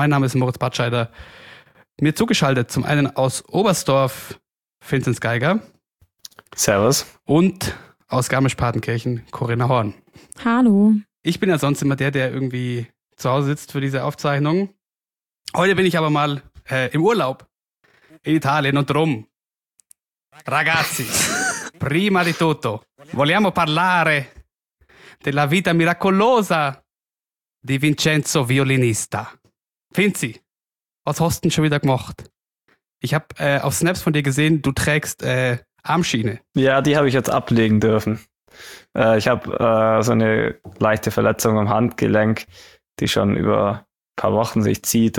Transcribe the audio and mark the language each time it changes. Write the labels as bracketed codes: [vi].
[de] Mein Name ist Moritz Batscheider. Mir zugeschaltet zum einen aus Oberstdorf, Vinzenz Geiger. Servus. Und aus Garmisch-Partenkirchen, Corinna Horn. Hallo. Ich bin ja sonst immer der, der irgendwie zu Hause sitzt für diese Aufzeichnung. Heute bin ich aber mal im Urlaub in Italien und drum. [it] Ragazzi, prima di tutto, vogliamo parlare della vita miracolosa di Vincenzo Violinista. [de] Vinzi, was hast du denn schon wieder gemacht? Ich habe auf Snaps von dir gesehen, du trägst Armschiene. Ja, die habe ich jetzt ablegen dürfen. Ich habe so eine leichte Verletzung am Handgelenk, die schon über ein paar Wochen sich zieht.